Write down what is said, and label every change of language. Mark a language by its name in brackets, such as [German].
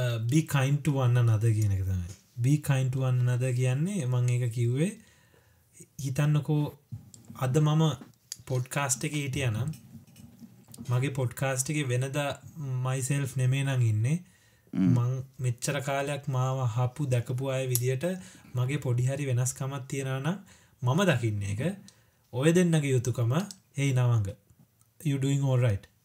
[English] Be kind to one another [Sinhala] කියන එක තමයි. [English] Be kind to one another [Sinhala] කියන්නේ මම ඒක කිව්වේ හිතන්නකෝ අද මම පොඩ්කාස්ට් එකේ හිටියානම් මගේ පොඩ්කාස්ට් එකේ වෙනදා myself නෙමෙයි නම් ඉන්නේ. මං මෙච්චර කාලයක් මාව අහපු දැකපු අය විදියට මගේ පොඩි හරි වෙනස්කමක් තියනා නම් මම දකින්න එක ඔය දෙන්නගේ යුතුකම. [English] Hey Nawanga, you doing all right?